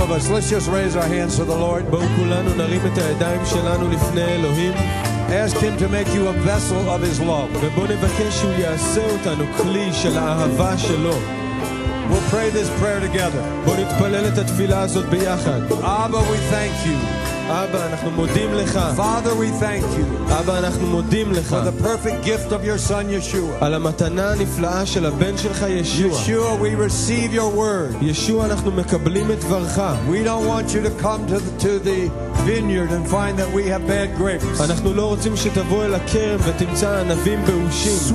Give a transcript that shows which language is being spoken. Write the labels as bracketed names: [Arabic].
[English] Let's just raise our hands to the Lord. [Hebrew] בואו כולנו נרים את הידיים שלנו לפני אלוהים. [English] Ask him to make you a vessel of his love. [Hebrew] ובואו נבקש שהוא יעשה אותנו כלי של האהבה שלו. [English] We'll pray this prayer together. [Hebrew] בואו נתפלל את התפילה הזאת ביחד. [English] Abba, we thank you. [Hebrew] אבא, אנחנו מודים לך. [English] Father, we thank you. [Hebrew] אבא, אנחנו מודים לך. [English] For the perfect gift of your son Yeshua. [Hebrew] על המתנה הנפלאה של הבן שלך ישוע. [English] Yeshua, we receive your word. [Hebrew] ישוע, אנחנו מקבלים את דברך. [English] We don't want you to come to the vineyard and find that we have bad grapes. [Hebrew] אנחנו לא רוצים שתבוא אל הכרם ותמצא ענבים באושים.